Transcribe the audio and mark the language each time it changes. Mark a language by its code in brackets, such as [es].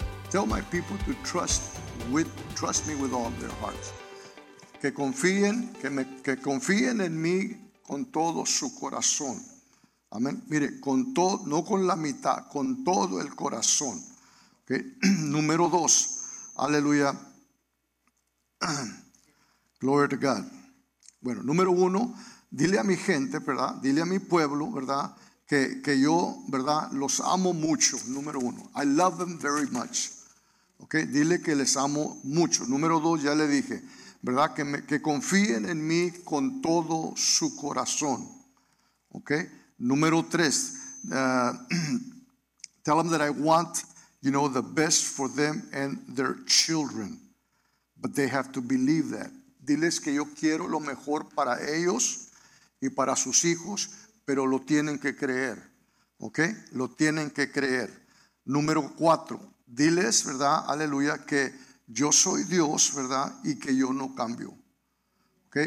[en] Tell my people to trust me with all their hearts. [es] Que confíen en mí con todo su corazón. Amén. Mire, con todo, no con la mitad, con todo el corazón. ¿Okay? Número dos. Aleluya. [en] Glory to God. [es] Bueno, número uno, dile a mi gente, ¿verdad? Dile a mi pueblo, ¿verdad? Que yo, ¿verdad? Los amo mucho, número uno. [en] I love them very much. [es] ¿Ok? Dile que les amo mucho. Número dos, ya le dije, ¿verdad? Que confíen en mí con todo su corazón. ¿Ok? Número tres, [en] tell them that I want, you know, the best for them and their children. But they have to believe that. [es] Diles que yo quiero lo mejor para ellos y para sus hijos, pero lo tienen que creer, ¿ok? Lo tienen que creer. Número cuatro, diles, ¿verdad? Aleluya, que yo soy Dios, ¿verdad? Y que yo no cambio, ¿ok?